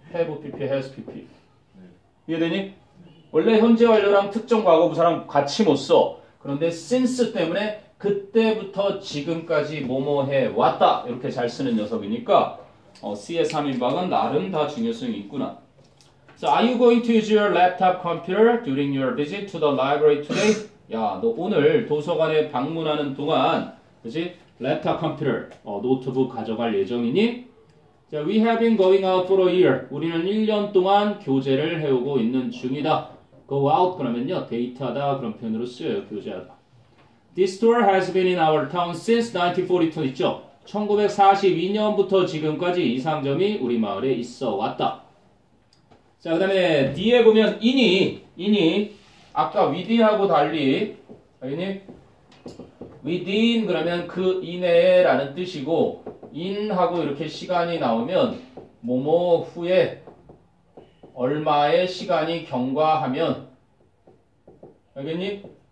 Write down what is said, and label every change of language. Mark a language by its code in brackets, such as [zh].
[ko] have pp, has pp. 이해되니? 원래 현재 완료랑 특정 과거 부사랑 같이 못 써. 그런데 since 때문에 그때부터 지금까지 뭐뭐해 왔다. 이렇게 잘 쓰는 녀석이니까 C의 3인방은 나름 다 중요성이 있구나. [en] So, are you going to use your laptop computer during your visit to the library today? [ko] 야, 너 오늘 도서관에 방문하는 동안, 그치? laptop computer, 노트북 가져갈 예정이니? [en] So, we have been going out for a year. [ko] 우리는 1년 동안 교제를 해오고 있는 중이다. Go out, 그러면요. 데이트하다, 그런 표현으로 쓰여요. 교제하다. [en] This store has been in our town since 1942, [ko] 있죠? 1942년부터 지금까지 이 상점이 우리 마을에 있어 왔다. 자, 그 다음에 뒤에 보면 in이 아까 with하고 달리 아니니? within 그러면 그 이내에 라는 뜻이고 in하고 이렇게 시간이 나오면 뭐뭐 후에 얼마의 시간이 경과하면 알겠니?